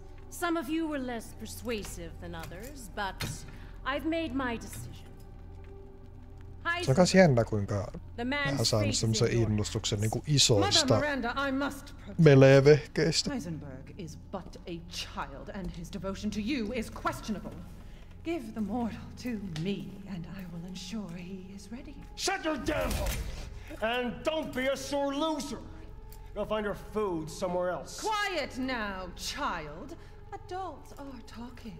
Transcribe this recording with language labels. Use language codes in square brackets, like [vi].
[en] Some of you were less persuasive than others, but I've made my decision. [fi] Se on kans jännä, kuinka mä saan semmosen innostuksen niinku isoista melevehkeistä. [en] Heisenberg is but a child, and his devotion to you is questionable. Give the mortal to me, and I will ensure he is ready. Shut your devil! And don't be a sore loser! You'll find your food somewhere else. Quiet now, child! Adults are talking.